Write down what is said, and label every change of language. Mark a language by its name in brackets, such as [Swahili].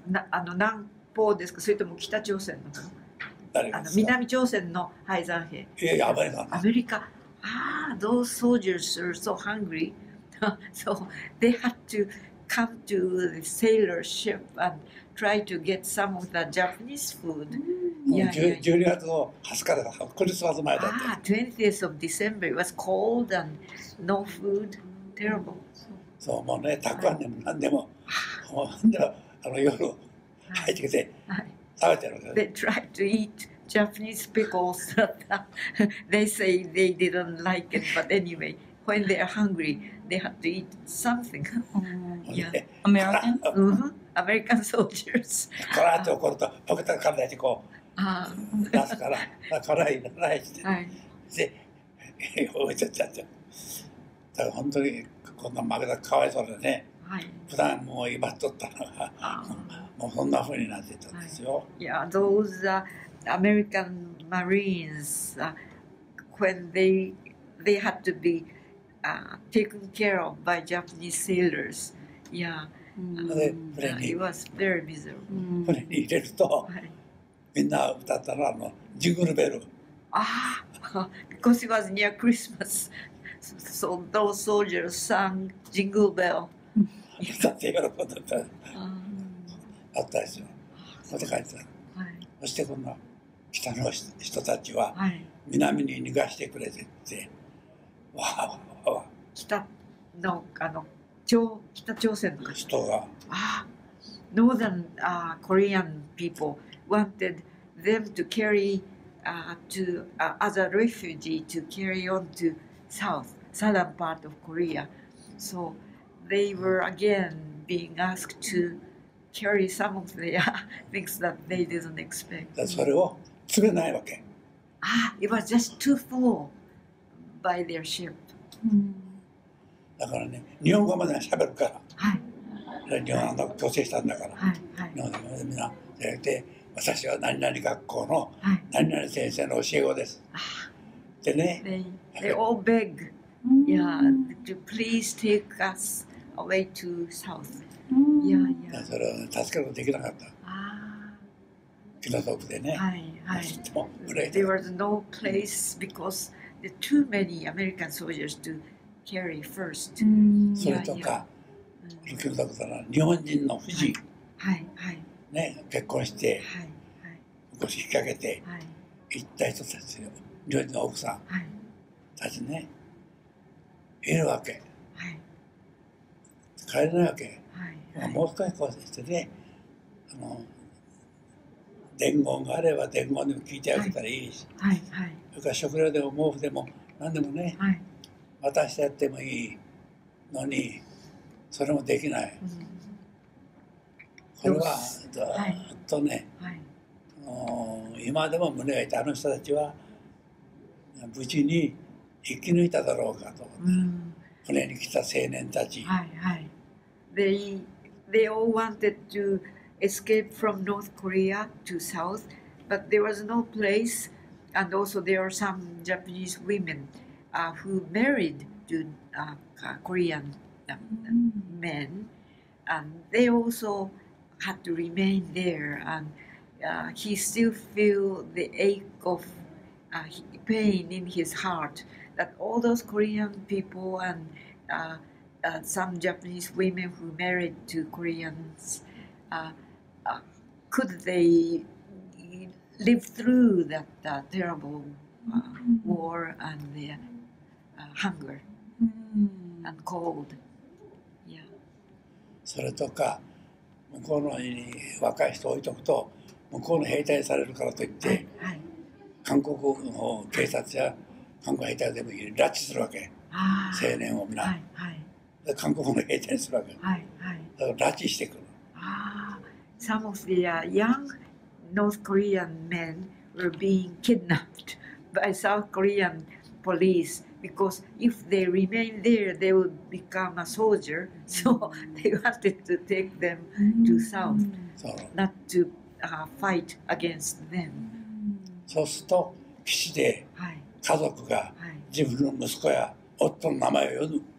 [Japanese] あの南方ですか、それとも北朝鮮の誰あの南朝鮮の敗残兵いやいや、暴れた [English] アメリカ、those soldiers are so hungry so they had to come to the sailor ship and try to get some of the Japanese food [Japanese] 12月の20日だから、クリスマス前だった。 [English] 20th of December, it was cold and no food, terrible. [Japanese] そう、もうね、たくあんでも何でも、もうあの夜入ってきて、食べてるわけ [English] で。They tried to eat Japanese pickles. They say they didn't like it, but anyway, when they are hungry, they have to eat something. American? American soldiers. [Japanese] こらって怒ると、ポケットが噛んでてこう。出すから、からいらないして、はい、で、覚えちゃっちゃっちゃ。だから本当にこんな負けたらかわいそうでね、はい、普段もう威張っとったのが、もうそんな風になってたんですよ。 [English] はい、yeah, those American Marines, when they had to be taken care of by Japanese sailors, it was very miserable. [Japanese] 船に入れると、はいみんな歌ったのはあのジングルベル。 [English] ああ、because it was near Christmas, so those soldiers sang Jingle Bell. [Japanese] 歌って喜んだった。あったでしょ。こうで書いてた。はい。そしてこの北の人たちは南に逃がしてくれてって、わあわあわあ。北のあの朝北朝鮮の方。人が。 [English] ああ、Northern Korean people. Wanted them to carry as a refugee to carry on to southern part of Korea. So they were again being asked to carry some of their things that they didn't expect. That's what it was. [Japanese] 詰めないわけ。 [English] Ah, it was just too full by their ship. [Japanese] だからね、日本語まで喋るから。はい。日本語強制したんだから。はい。日本語でみんな言って。私は何々学校の何々先生の教え子です。はい、でね、 [English] they all beg, yeah, to please take us away to south. Yeah, yeah. [Japanese] それは助けることできなかった。ああ、気の毒でね。はいはい。もう、 [English] there was no place because there too many American soldiers to carry first. [Japanese] それとか、気の毒だな、日本人の夫人。はいはい。ね、結婚して、はいはい、腰引っ掛けて、はい、行った人たち、日本人の奥さん、はい、たちね、いるわけ、はい、帰れないわけ、まあ、もう少し高説でね、あの伝言があれば伝言でも聞いてあげたらいいし、はいはいはい、それから食料でも毛布でも何でもね、はい、渡してやってもいいのにそれもできない、うん、これはずっとね、はいはい、今でも胸が痛い。あの人たちは無事に生き抜いただろうかと、ね、うん、船に来た青年たち、 [English] はいはい、they all wanted to escape from North Korea to South, but there was no place, and also there are some Japanese women who married to Korean men, and they also had to remain there, and he still feel the ache of pain in his heart that all those Korean people and some Japanese women who married to Koreans, could they live through that terrible war and the hunger and cold? Yeah. [Japanese] それとか向こうの若い人を置いとくと向こうの兵隊されるからといって、はいはい、韓国の警察や韓国兵隊でも拉致するわけ。あ、青年を皆、はいはい、韓国の兵隊するわけ、はいはい、だから拉致してくる。 [English] あ、 some of the young North Korean men were being kidnapped by South Korean police because if they remain there they would become a soldier, so they wanted to take them to South, not to fight against them. [Japanese] そうすると基地で家族が自分の息子や夫の名前を呼ぶ。